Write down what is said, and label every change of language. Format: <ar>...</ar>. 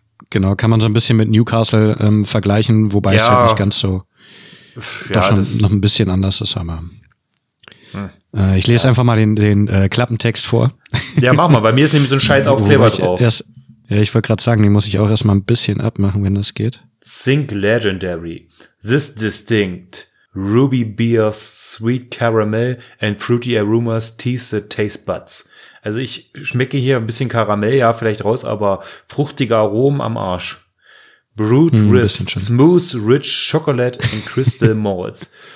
<de>Genau, kann man so ein bisschen mit Newcastle vergleichen, wobei es halt nicht ganz so schon noch ein bisschen anders ist, aber ich lese einfach mal den Klappentext vor. Ja, mach mal, bei mir ist nämlich so ein scheiß Aufkleber drauf. Ich wollte gerade sagen, den muss ich auch erstmal ein bisschen abmachen, wenn das geht.</de> <en>Think Legendary. This distinct Ruby Beer's Sweet Caramel and Fruity Aromas tease the taste buds.</en> <de>Also ich schmecke hier ein bisschen Karamell, ja, vielleicht raus, aber fruchtiger Aromen am Arsch.</de> <en>Brewed with smooth, rich chocolate and crystal malts.</en>